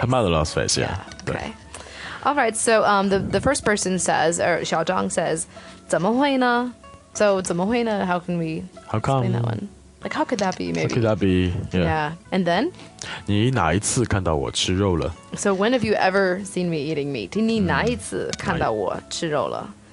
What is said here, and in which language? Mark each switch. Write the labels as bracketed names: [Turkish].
[English] Her mother lost face, yeah. Okay. All right, so the first person says, or Xiao Zhang says, [Chinese] 怎么会呢? [English] So 怎么会呢?How can we how come? Explain that one? Like, how could that be, maybe? How could that be? Yeah. Yeah. And then? [Chinese] 你哪一次看到我吃肉了? [English] So when have you ever seen me eating meat? [Chinese] 你哪一次看到我吃肉了?